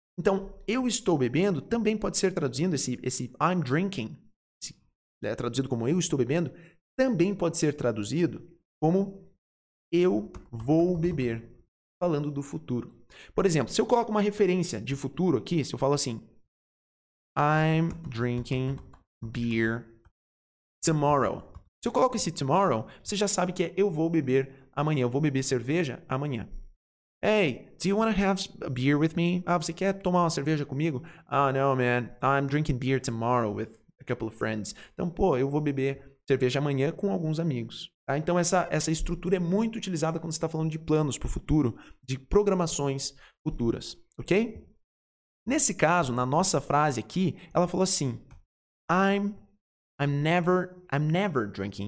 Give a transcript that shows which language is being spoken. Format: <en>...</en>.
<pt>Então, eu estou bebendo também pode ser traduzindo esse</pt> <en>I'm drinking,</en> <pt>é traduzido como eu estou bebendo, também pode ser traduzido como eu vou beber, falando do futuro. Por exemplo, se eu coloco uma referência de futuro aqui, se eu falo assim,</pt> <en>I'm drinking beer tomorrow.</en> <pt>Se eu coloco esse tomorrow, você já sabe que é eu vou beber amanhã, eu vou beber cerveja amanhã.</pt> <en>Hey, do you want to have a beer with me?</en> <pt>Ah, você quer tomar uma cerveja comigo?</pt> <en>Oh, no, man, I'm drinking beer tomorrow with a couple of friends.</en> <pt>Então, pô, eu vou beber cerveja amanhã com alguns amigos. Tá? Então, essa estrutura é muito utilizada quando você está falando de planos para o futuro, de programações futuras, ok? Nesse caso, na nossa frase aqui, ela falou assim,</pt> <en>I'm never drinking.</en>